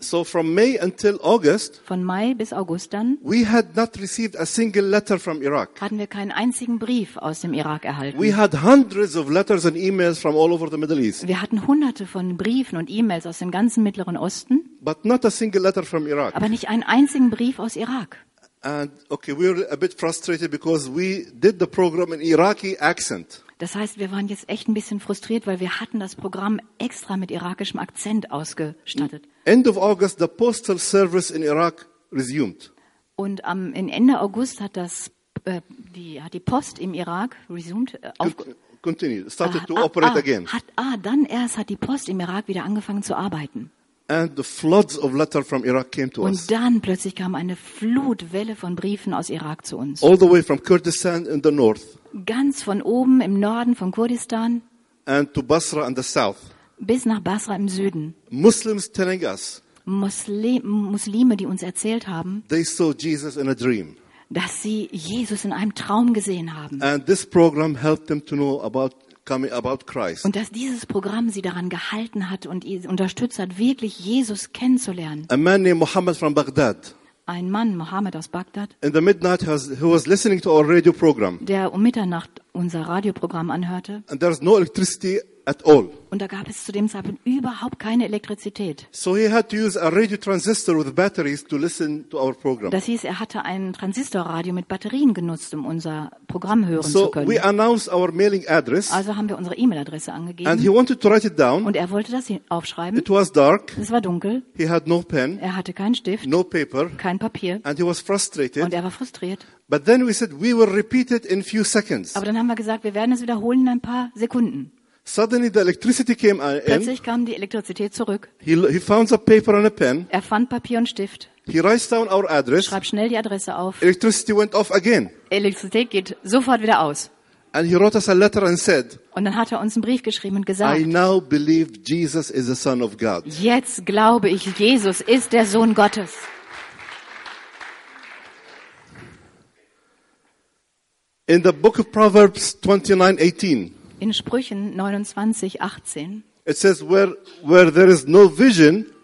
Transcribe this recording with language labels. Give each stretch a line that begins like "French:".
English: So from May until August,
German: von Mai bis August dann,
English: we had not received a single letter from Iraq.
German: Hatten wir keinen einzigen Brief aus dem Irak erhalten.
English: We had hundreds of letters and emails from all over the Middle East.
German: Wir hatten hunderte von Briefen und E-Mails aus dem ganzen Mittleren Osten.
English: But not a single letter from Iraq.
German: Aber nicht einen einzigen Brief aus Irak.
English: And okay, we were a bit frustrated because we did the program in Iraqi accent.
German: Das heißt, wir waren jetzt echt ein bisschen frustriert, weil wir hatten das Programm extra mit irakischem Akzent ausgestattet.
English: End of August, the postal service in Iraq resumed.
German: Und in Ende August hat die Post im Irak resumed.
English: Continued, started to operate again.
German: Dann erst hat die Post im Irak wieder angefangen zu arbeiten.
English: And the floods of letters from Iraq came to
German: und
English: us.
German: Und dann plötzlich kam eine Flutwelle von Briefen aus Irak zu uns.
English: All the way from Kurdistan in the north.
German: Ganz von oben im Norden von Kurdistan.
English: And to Basra in the south.
German: Bis nach Basra im Süden.
English: Muslims telling us.
German: Muslime, die uns erzählt haben.
English: They saw Jesus in a dream.
German: Dass sie Jesus in einem Traum gesehen haben.
English: And this program helped them to know about coming about Christ.
German: Und dass dieses Programm sie daran gehalten hat und sie unterstützt hat, wirklich Jesus kennenzulernen.
English: A man named Muhammad from Baghdad.
German: Ein Mann, Mohammed aus Bagdad.
English: In the midnight, he was listening to our radio program.
German: Der um Mitternacht unser Radioprogramm anhörte.
English: And there was no electricity at all.
German: Und da gab es zu dem Zeitpunkt überhaupt keine Elektrizität.
English: So he had to use a radio transistor with batteries to listen to our program.
German: Das hieß, er hatte ein Transistorradio mit Batterien genutzt, um unser Programm hören
English: so
German: zu können.
English: So we announced our mailing address.
German: Also haben wir unsere E-Mail-Adresse angegeben.
English: And he wanted to write it down.
German: Und er wollte das aufschreiben.
English: It was dark.
German: Es war dunkel.
English: He had no pen.
German: Er hatte keinen Stift.
English: No paper.
German: Kein Papier.
English: And he was frustrated.
German: Und er war frustriert.
English: But then we said we will repeat it in few seconds.
German: Aber dann haben wir gesagt, wir werden es wiederholen in ein paar Sekunden.
English: Suddenly the electricity came in.
German: Plötzlich kam die Elektrizität zurück.
English: He found a paper and a pen.
German: Er fand Papier und Stift.
English: He writes down our address.
German: Schreibt schnell die Adresse auf.
English: Electricity went off again.
German: Elektrizität geht sofort wieder aus.
English: And he wrote us a letter and said,
German: und dann hat er uns einen Brief geschrieben und gesagt,
English: I now believe Jesus is the Son of God.
German: Jetzt glaube ich, Jesus ist der Sohn Gottes.
English: In the book of Proverbs 29:18.
German: In Sprüchen 29:18.
English: It says where there is no vision.